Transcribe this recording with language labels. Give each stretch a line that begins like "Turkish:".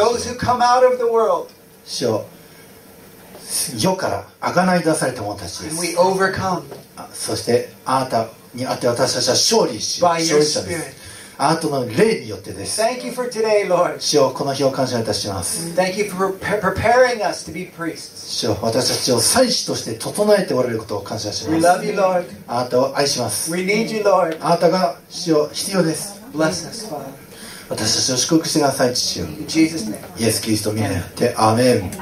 English: Those who come out of the world.
Japanese: 死を世から贖い出された者たちです。
English: And we overcome.
Japanese: そしてあなたにあって私たちは勝利し、
English: By your Spirit.
Japanese: あなたの霊によってです。
English: Thank you for today, Lord.
Japanese: 主よ、この日を感謝いたします。
English: Thank you for preparing us to be priests.
Japanese: 主よ、私たちを祭司として整えておられることを感謝します。
English: We love you, Lord.
Japanese: あなたを愛します。
English: We need you, Lord.
Japanese: あなたが主よ必要です。
English: Bless us, Father.
Japanese: 私たちを祝福してください、父よ。
English: In Jesus name.
Japanese: イエス・キリスト名によってアーメン。